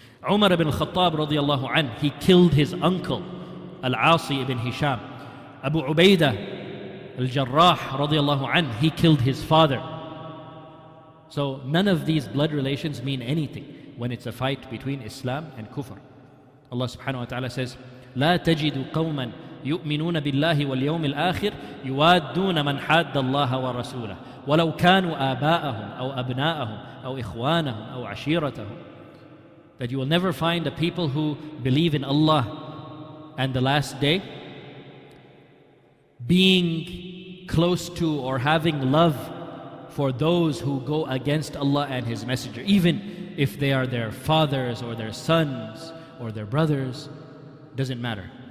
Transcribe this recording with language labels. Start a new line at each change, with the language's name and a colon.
English: Umar ibn al-Khattab radiallahu anhu, he killed his uncle, Al-Asi ibn Hisham. Abu Ubaidah al-Jarrah radiallahu anhu, he killed his father. So none of these blood relations mean anything when it's a fight between Islam and Kufr.
Arabic: Allah subhanahu wa ta'ala says, لا تجد قوما يؤمنون بالله واليوم الآخر يوادون من حاد الله ورسوله ولو كانوا آباءهم أو أبناءهم أو إخوانهم أو عشيرتهم.
English: That you will never find a people who believe in Allah and the last day being close to or having love for those who go against Allah and His Messenger, even if they are their fathers or their sons or their brothers. Doesn't matter.